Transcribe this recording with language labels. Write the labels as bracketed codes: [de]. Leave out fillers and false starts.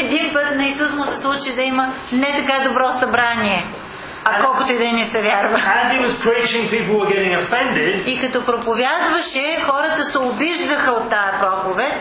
[bg] Един път на Исус му се случи да има не така добро събрание. А колкото и да не се вярва. [en] As he was preaching, people were getting offended. [bg] И като проповядваше, хората се обиждаха от тая проповед.